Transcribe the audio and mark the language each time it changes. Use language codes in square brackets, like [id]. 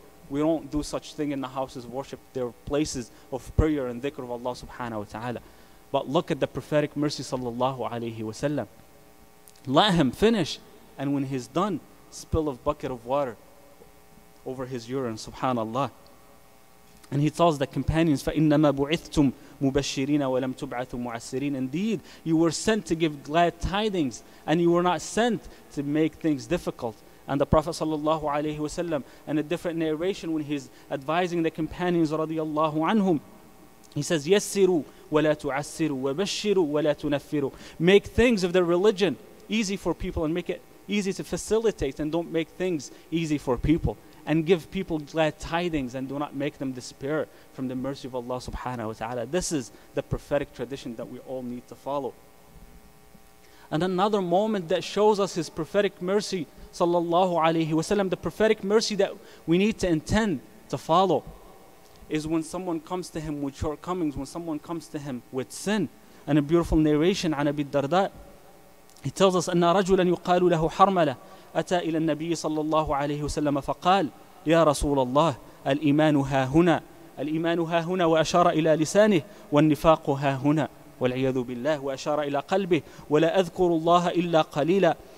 [en] We don't do such thing in the houses of worship. They're places of prayer and dhikr of Allah subhanahu wa ta'ala. But look at the prophetic mercy sallallahu alayhi wasallam. Let him finish. And when he's done, spill a bucket of water over his urine, subhanallah. And he tells the companions, [ar] فَإِنَّمَا بُعِثْتُمْ مُبَشِّرِينَ وَلَمْ تُبْعَثُوا مُعَسِّرِينَ. [en] Indeed, you were sent to give glad tidings and you were not sent to make things difficult. And the Prophet sallallahu alayhi wasallam, in a different narration when he's advising the companions radiyallahu anhum, he says, [ar] يَسِّرُوا وَلَا تُعَسِّرُوا وَبَشِّرُوا وَلَا تُنَفِّرُوا. [en] Make things of the religion easy for people and make it easy to facilitate and don't make things easy for people. And give people glad tidings and do not make them despair from the mercy of Allah subhanahu wa ta'ala. This is the prophetic tradition that we all need to follow. And another moment that shows us his prophetic mercy sallallahu alayhi wasallam, the prophetic mercy that we need to intend to follow, is when someone comes to him with shortcomings, when someone comes to him with sin. And a beautiful narration on Abi Darda, he tells us, [ar] أَنَّ رَجُلًا يُقَالُ لَهُ حَرْمَلَةً أتى إلى النبي صلى الله عليه وسلم فقال يا رسول الله الإيمان ها هنا الإيمان ها هنا وأشار إلى لسانه والنفاق ها هنا والعياذ بالله وأشار إلى قلبه ولا أذكر الله إلا قليلا